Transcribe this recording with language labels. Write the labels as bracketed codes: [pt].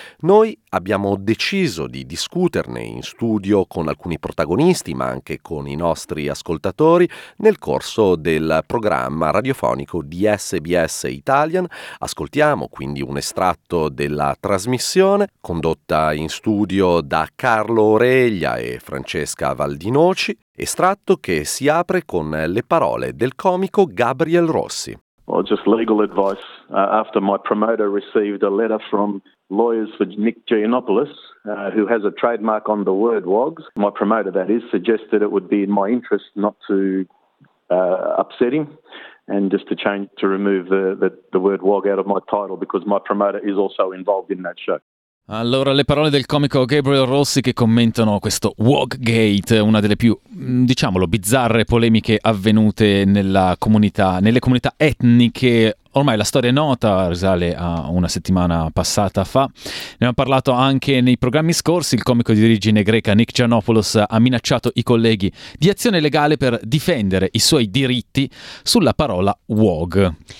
[it] Noi abbiamo deciso di discuterne in studio con alcuni protagonisti, ma anche con i nostri ascoltatori, nel corso del programma radiofonico di SBS Italian. Ascoltiamo quindi un estratto della trasmissione, condotta in studio da Carlo Oreglia e Francesca Valdinoci, estratto che si apre con le parole del comico Gabriel Rossi. [en] Well, just legal advice. After my promoter received a letter from lawyers for Nick Giannopoulos, who has a trademark on the word WOGs, my promoter, that is, suggested it would be in my interest not to upset him and just to change, to remove the word WOG out of my title because my promoter is also involved in that show. [it] Allora, le parole del comico Gabriel Rossi che commentano questo WOGgate, una delle più, diciamolo, bizzarre polemiche avvenute nelle comunità etniche. Ormai la storia è nota, risale a una settimana passata fa. Ne abbiamo parlato anche nei programmi scorsi. Il comico di origine greca Nick Giannopoulos ha minacciato i colleghi di azione legale per difendere i suoi diritti sulla parola WOG.